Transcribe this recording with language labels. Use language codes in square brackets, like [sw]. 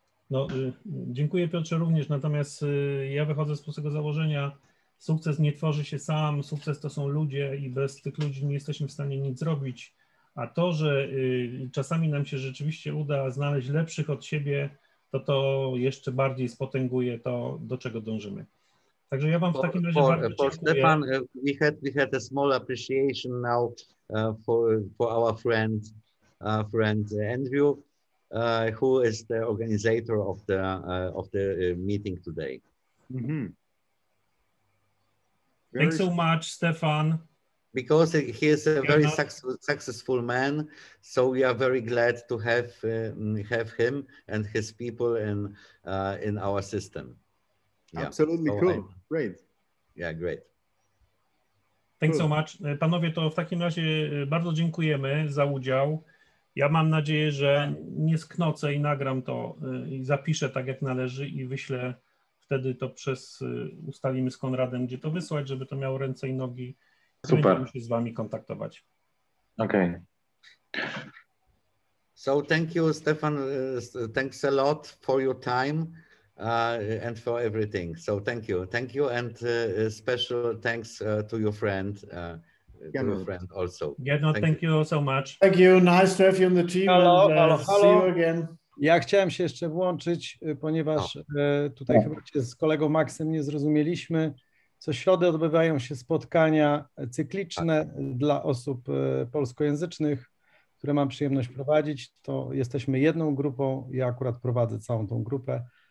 [pl] No, dziękuję Piotrze również, natomiast ja wychodzę z tego założenia, sukces nie tworzy się sam, sukces to są ludzie i bez tych ludzi nie jesteśmy w stanie nic zrobić, a to, że czasami nam się rzeczywiście uda znaleźć lepszych od siebie, to jeszcze bardziej spotęguje to, do czego dążymy. Także ja wam w takim razie bardzo dziękuję. [en] Stefan, we had a small appreciation now for our friend Andrew, who is the organizer of the meeting today. Mm-hmm. Thanks so much, Stefan. Because he is a very successful man, so we are very glad to have him and his people in our system. Yeah. Absolutely, so cool. Great. Yeah, great. Thanks so much. [pl] Panowie, to w takim razie bardzo dziękujemy za udział. Ja mam nadzieję, że nie sknocę i nagram to i zapiszę tak jak należy i wyślę wtedy to przez, ustalimy z Konradem, gdzie to wysłać, żeby to miało ręce i nogi. Super. Będziemy się z wami kontaktować. [en] Okay. So thank you, Stefan. Thanks a lot for your time and for everything. So thank you. Thank you and special thanks to your friend. To your friend also. Gernot, thank you so much. Thank you. Nice to have you on the team. Hello. See you again. [pl] Ja chciałem się jeszcze włączyć, ponieważ tutaj chyba się z kolegą Maksem nie zrozumieliśmy. Co środę odbywają się spotkania cykliczne dla osób polskojęzycznych, które mam przyjemność prowadzić. To jesteśmy jedną grupą, ja akurat prowadzę całą tą grupę.